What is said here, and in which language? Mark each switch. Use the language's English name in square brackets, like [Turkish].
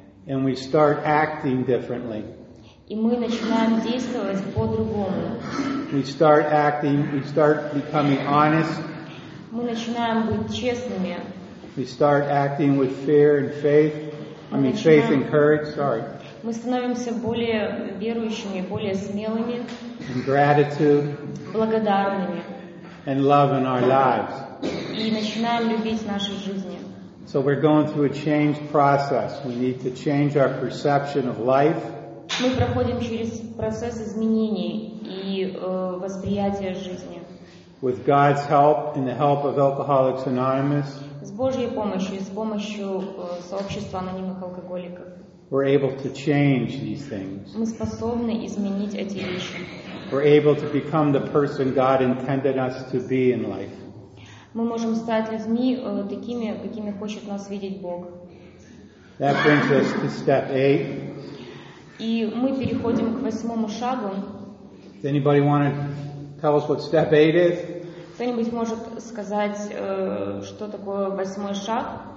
[English] And we start acting differently. [Russian] И мы начинаем действовать по-другому. [English] We start acting, we start becoming honest. [Russian] Мы начинаем быть честными. [English] We start acting with fear and faith. Faith and courage, sorry. [Russian] Мы становимся более верующими, более смелыми. [English] And gratitude. [Russian] Благодарными. [English] And love in our lives. [Russian] И начинаем любить наши жизни. [English] So we're going through a change process. We need to change our perception of life. [Russian] Мы проходим через процесс изменений и восприятия жизни. [English] With God's help and the help of Alcoholics Anonymous. [Russian] С Божьей помощью и с помощью сообщества анонимных алкоголиков. [English] We're able to change these things. [Russian] Мы способны изменить эти вещи. [English] We're able to become the person God intended us to be in life. [Russian] Мы можем стать людьми такими, какими хочет нас видеть Бог. [English] That brings us to step 8. [Russian] И мы переходим к восьмому шагу. [English] Does anybody want to tell us what step 8 is? [Russian] Кто-нибудь может сказать, что такое восьмой шаг?